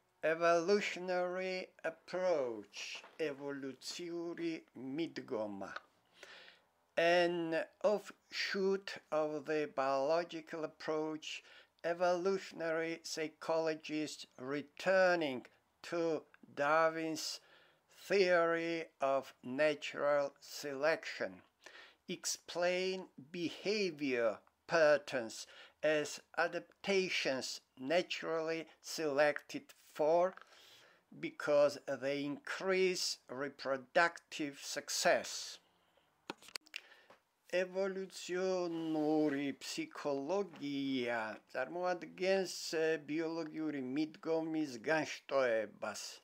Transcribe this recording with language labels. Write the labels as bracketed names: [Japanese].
[English] Evolutionary approach, [Georgian] ევოლუციური მიდგომა. [English] an offshoot of the biological approach, evolutionary psychologists returning to Darwin's theory of natural selection explain behavior patterns as adaptations naturally selected for because they increase reproductive success. [Georgian] Ევოლუციონური ფსიქოლოგია წარმოადგენს ბიოლოგიური მიდგომის განშტოებას.